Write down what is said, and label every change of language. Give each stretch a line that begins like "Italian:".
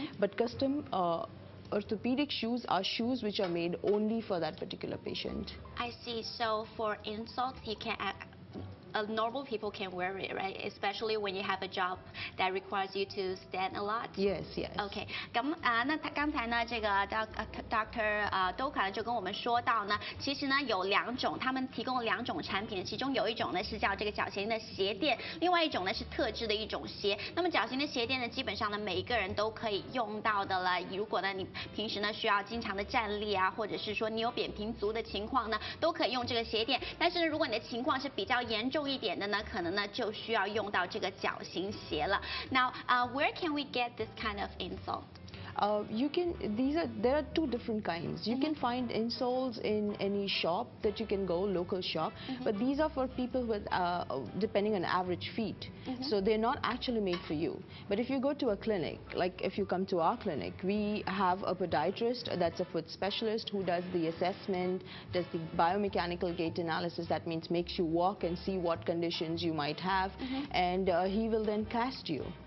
English: But custom orthopedic shoes are shoes which are made only for that particular patient. I see. So for insults, you can add normal people can wear it, right? Especially when you have a job that requires you to stand a lot. Yes, yes.
Chinese: Okay. 那刚才呢，这个 Dr. Dolkar 就跟我们说到呢，其实呢有两种，他们提供两种产品，其中有一种呢是叫这个脚型的鞋垫，另外一种呢是特制的一种鞋。那么脚型的鞋垫呢，基本上呢每一个人都可以用到的了。如果呢你平时呢需要经常的站立啊，或者是说你有扁平足的情况呢，都可以用这个鞋垫。但是呢，如果你的情况是比较严重，重一点的呢，可能呢就需要用到这个脚型鞋了。
English: Now, where can we get this kind of insole? There are two different kinds. You can find insoles in any shop that you can go, local shop. But these are for people with, depending on average feet. So they're not actually made for you. But if you go to a clinic, like if you come to our clinic, we have a podiatrist that's a foot specialist who does the assessment, does the biomechanical gait analysis, that means makes you walk and see what conditions you might have, and he will then cast you.